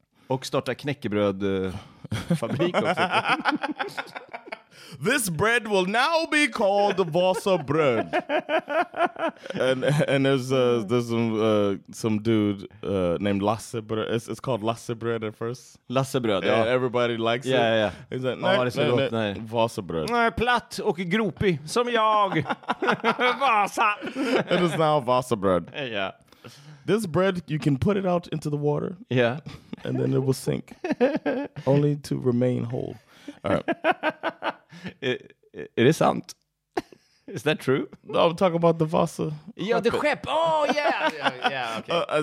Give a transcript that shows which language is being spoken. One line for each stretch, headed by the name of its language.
Swedish: Och startade knäckebrödfabrik också.
English: This bread will now be called Vasa bread. And there's some dude named Lasse bread. It's called Lasse bread at first.
Swedish: Lasse bröd. Ja.
English: Everybody likes yeah, it. Yeah, yeah. He's like,
Swedish: nej, det är så gott, nej. Vasa bröd. Nej, platt och gropig som jag. Vasa.
English: It is now Vasa bread. Yeah. This bread, you can put it out into the water. Yeah. And then it will sink. Only to remain whole. All right. It is sant. Is that true? No, I'm talking about the Vasa. Yeah, the ship. Oh, yeah. Yeah, okay.